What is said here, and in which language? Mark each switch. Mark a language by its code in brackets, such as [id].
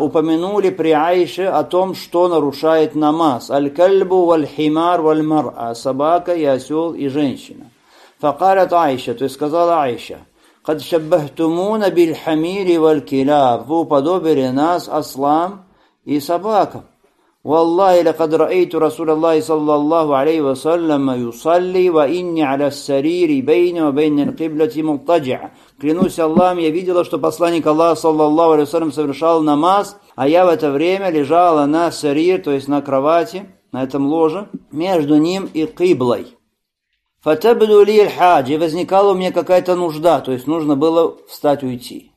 [ru] Упомянули при Айше о том, что нарушает намаз. [ar] Аль-кальбу валь-химар валь-мар'а. [ru] Собака и осел и женщина. [ar] Факалят [ru] Айша. То есть сказала Айша. [ar] Кад шаббахтумуна биль-хамири валь-килаб. [ru] Вы уподобили нас ослам и собакам. [ar] والله لقد رأيت رسول الله صلى الله عليه وسلم يصلي وإني على السرير بين وبين القبلة مضطجع. [ru] Клянусь Аллахом, я видела, что посланник Аллаха саллаллаху алейхи ва саллям совершал намаз, а я в это время лежала на сарир, то есть на кровати, на этом ложе, между ним и киблой. [ar] فتبدو لي الحاجة. [ru] Возникала у меня какая-то нужда, то есть нужно было встать уйти.